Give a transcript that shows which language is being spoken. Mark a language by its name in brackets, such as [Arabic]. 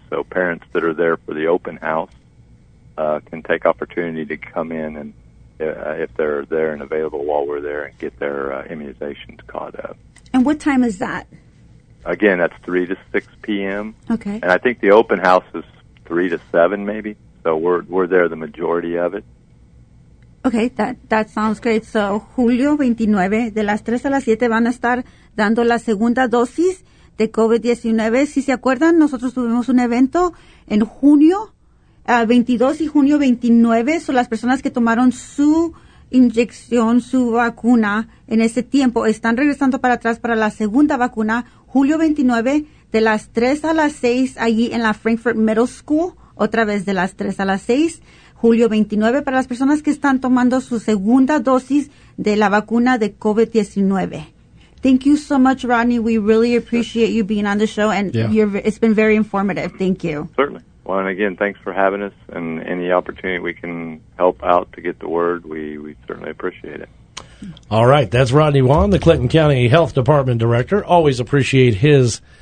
[English] So parents that are there for the open house can take opportunity to come in and if they're there and available while we're there and get their immunizations caught up. And what time is that? Again, that's 3 to 6 p.m. Okay. And I think the open house is 3 to 7, maybe. So we're there the majority of it. Okay, that sounds great. [Spanish] So Julio 29, de las 3 a las 7 van a estar dando la segunda dosis de COVID-19. Si se acuerdan, nosotros tuvimos un evento en junio 22 y junio 29. Son las personas que tomaron su inyección, su vacuna en ese tiempo. Están regresando para atrás para la segunda vacuna. Julio 29, de las 3 a las 6, allí en la Frankfort Middle School. Otra vez de las 3 a las 6, julio 29, para las personas que están tomando su segunda dosis de la vacuna de COVID-19. [English] Thank you so much, Rodney. We really appreciate you being on the show, and it's been very informative. Thank you. Certainly. Well, and again, thanks for having us, and any opportunity we can help out to get the word, we certainly appreciate it. All right. That's Rodney Wan, the Clinton County Health Department Director. Always appreciate his